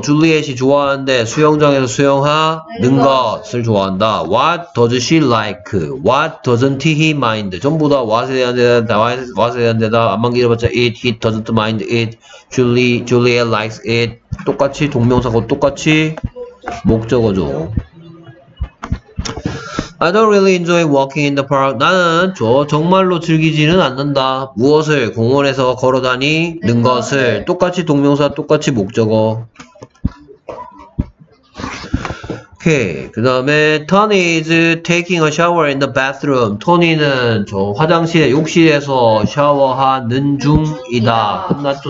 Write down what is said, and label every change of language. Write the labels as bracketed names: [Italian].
[Korean] 줄리엣이 좋아하는데 수영장에서 수영하는 것을 좋아한다. [English] What does she like? What doesn't he mind? [Korean] 전부 다 what에 대한 대답, what에 대한 대답. 안만 길어봤자 it, [English] he doesn't mind it. Juliet likes it. [Korean] 똑같이 동명사고 똑같이 목적어죠. [English] I don't really enjoy walking in the park. [Korean] 나는 저 정말로 즐기지는 않는다. 무엇을 공원에서 걸어다니는 것을. 똑같이 동명사 똑같이 목적어. 오케이. 그 다음에 [English] Tony is taking a shower in the bathroom. [Korean] Tony는 저 화장실에 욕실에서 샤워하는 중이다. 끝났죠.